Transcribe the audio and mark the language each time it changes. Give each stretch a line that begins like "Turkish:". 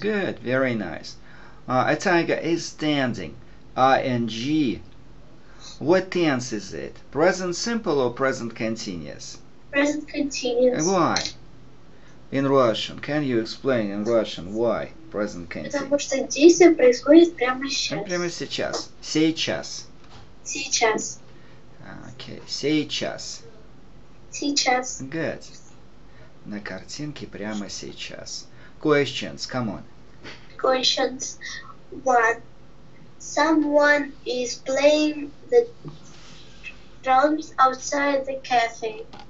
English: Good, very nice. A tiger is standing. ING. What tense is it? Present simple or present continuous? Present continuous. Why? In Russian. Can you explain in Russian why present continuous?
Russian: Потому что действие происходит прямо сейчас. Прямо сейчас. Сейчас. Сейчас. Okay, сейчас. Сейчас.
English: Good.
Russian: На картинке прямо сейчас.
English: Questions, come on. Questions. One. Someone is playing the drums outside the cafe.